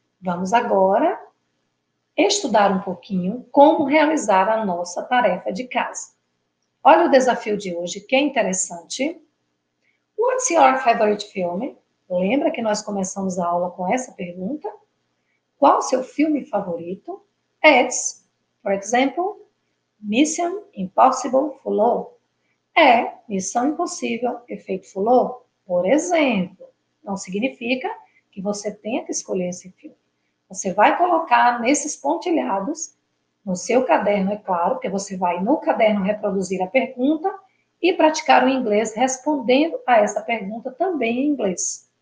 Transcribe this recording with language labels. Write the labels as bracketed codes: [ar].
[pt] Vamos agora estudar um pouquinho como realizar a nossa tarefa de casa. Olha o desafio de hoje, que é interessante. [en] What's your favorite film? [pt] Lembra que nós começamos a aula com essa pergunta? Qual o seu filme favorito? [en] It's, for example, Mission Impossible Follow. [pt] É Missão Impossível Efeito Follow, por exemplo. Não significa que você tenha que escolher esse filme. Você vai colocar nesses pontilhados, no seu caderno, é claro, que você vai no caderno reproduzir a pergunta e praticar o inglês respondendo a essa pergunta também em inglês.